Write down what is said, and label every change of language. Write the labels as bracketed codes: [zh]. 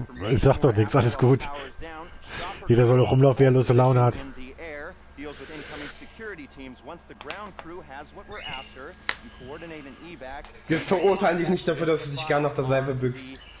[de] Ich sag doch nichts, alles gut. Jeder soll doch rumlaufen, wie er Lust und Laune hat. [en] Deals with incoming security teams once the ground crew has what we're after. You coordinate an evac. [de] Wir verurteilen dich nicht dafür, dass du dich gerne auf der Seife bückst.